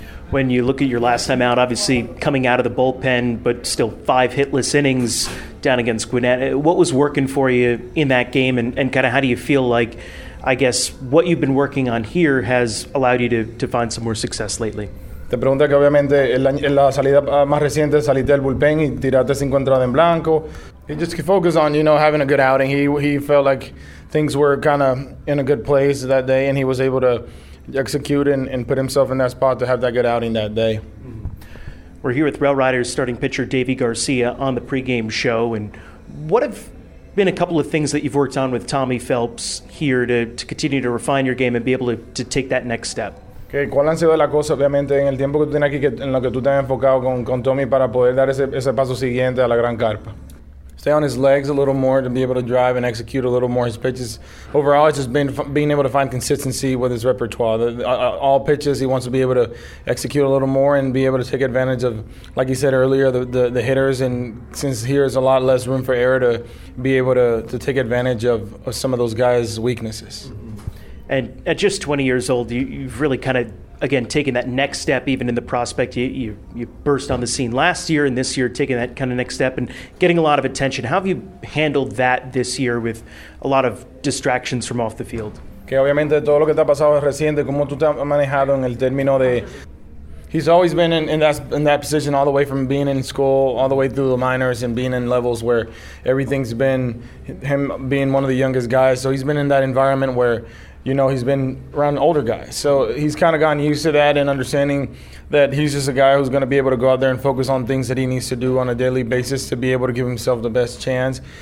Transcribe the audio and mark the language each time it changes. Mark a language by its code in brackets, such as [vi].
[en] When you look at your last time out, obviously coming out of the bullpen, but still five hitless innings down against Gwinnett, what was working for you in that game and kind of how do you feel like, I guess, what you've been working on here has allowed you to find some more success lately? [es] Te pregunta que obviamente en la salida más reciente saliste del bullpen y tiraste 5 entradas en blanco. [en] He just focused on, you know, having a good outing. He felt like things were kind of in a good place that day, and he was able to execute and put himself in that spot to have that good outing that day. We're here with Rail Riders starting pitcher Deivi Garcia on the pregame show. And what have been a couple of things that you've worked on with Tommy Phelps here to continue to refine your game and be able to take that next step? [es] Que cuál han sido las cosas, obviamente, en el tiempo que tú tienes aquí, que, en lo que tú te has enfocado con Tommy para poder dar ese paso siguiente a la gran carpa. [en] Stay on his legs a little more to be able to drive and execute a little more his pitches. Overall, it's just being able to find consistency with his repertoire. All pitches, he wants to be able to execute a little more and be able to take advantage of, like you said earlier, the hitters. And since here is a lot less room for error, to be able to take advantage of some of those guys' weaknesses. And at just 20 years old, you've really kind of, again, taken that next step even in the prospect. You burst on the scene last year, and this year taking that kind of next step and getting a lot of attention. How have you handled that this year with a lot of distractions from off the field? [es] Okay, obviamente todo lo que te ha pasado reciente, como tú te has manejado en el término de... [en] He's always been in that position all the way from being in school, all the way through the minors and being in levels where everything's been him being one of the youngest guys. So he's been in that environment where... you know, he's been around older guys. So he's kind of gotten used to that and understanding that he's just a guy who's going to be able to go out there and focus on things that he needs to do on a daily basis to be able to give himself the best chance.